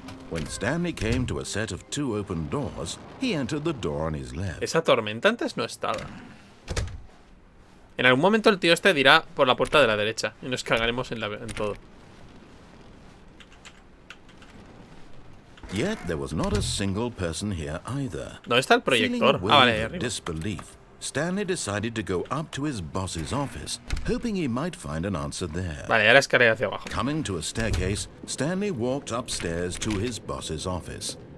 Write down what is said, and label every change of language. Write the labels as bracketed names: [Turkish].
[English] When Stanley came to a set of two open doors, he entered the door on his left. [Spanish] Esa tormenta antes no estaba. En algún momento el tío este dirá por la puerta de la derecha y nos cagaremos en todo. [English] Yet there was not a single person here either. [Spanish] ¿Dónde está el proyector? Ah, vale, arriba. [English] Disbelief, Stanley decided to go up to his boss's office, hoping he might find an answer there. [Spanish] Vale, ahora escalé hacia abajo. [English] Coming to a staircase, Stanley walked upstairs to his boss's office.